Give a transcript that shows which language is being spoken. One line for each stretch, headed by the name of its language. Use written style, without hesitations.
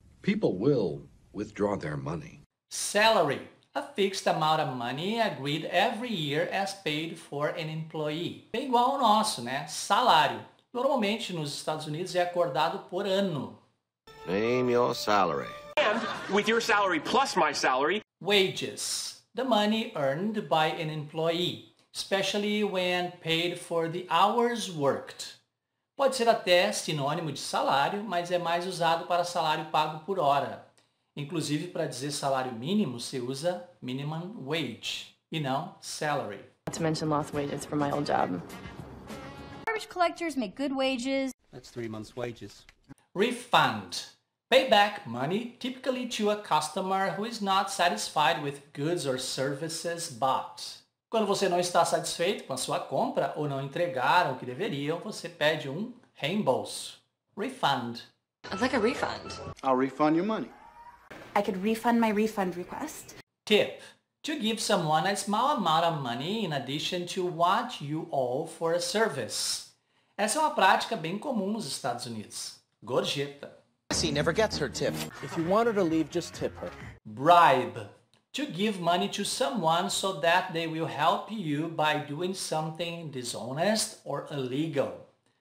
English: People will withdraw their money. Salary, a fixed amount of money agreed every year as paid for an employee.
Portuguese: Bem igual ao nosso, né? Salário. Normalmente, nos Estados Unidos, é acordado por ano.
English: Name your salary. And with your salary plus my salary. Wages, the money earned by an employee, especially when paid for the hours worked.
Portuguese: Pode ser até sinônimo de salário, mas é mais usado para salário pago por hora. Inclusive, para dizer salário mínimo, se usa minimum wage e não salary.
English: Not to mention lost wages for my old job. Garbage collectors make good wages. That's 3 months' wages. Refund. Pay back money typically to a customer who is not satisfied with goods or services bought.
Portuguese: Quando você não está satisfeito com a sua compra ou não entregaram o que deveriam, você pede um reembolso.
English: Refund. I'd like a refund. I'll refund your money. I could refund my refund request. Tip. To give someone a small amount of money in addition to what you owe for a service.
Portuguese: Essa é uma prática bem comum nos Estados Unidos. Gorjeta.
English: She never gets her tip. If you want her to leave, just tip her. Bribe. To give money to someone so that they will help you by doing something dishonest or illegal.